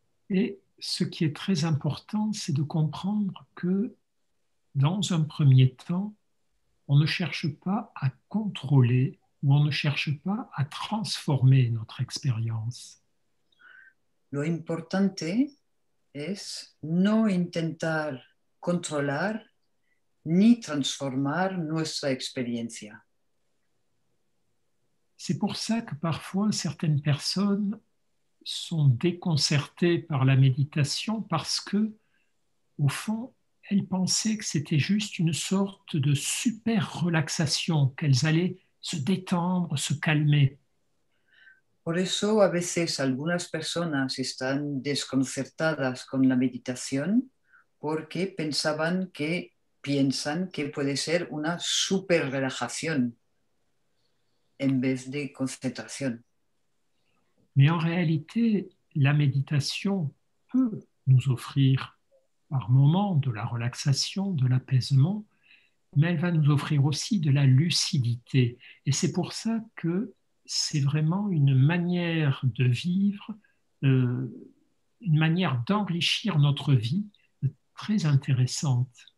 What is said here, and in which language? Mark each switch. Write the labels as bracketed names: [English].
[French] Et ce qui est très important, c'est de comprendre que dans un premier temps, on ne cherche pas à contrôler ou on ne cherche pas à transformer notre expérience. [Spanish] Lo importante es no intentar controlar ni transformar nuestra experiencia. [French] C'est pour ça que parfois certaines personnes sont déconcertées par la méditation parce que, au fond, elles pensaient que c'était juste une sorte de super relaxation, qu'elles allaient se détendre, se calmer. [Spanish] Por eso a veces algunas personas están desconcertadas con la meditación porque piensan que puede ser una super relajación en vez de concentración. [French] Mais en réalité, la méditation peut nous offrir par moments de la relaxation, de l'apaisement, mais elle va nous offrir aussi de la lucidité. Et c'est pour ça que c'est vraiment une manière de vivre, une manière d'enrichir notre vie très intéressante.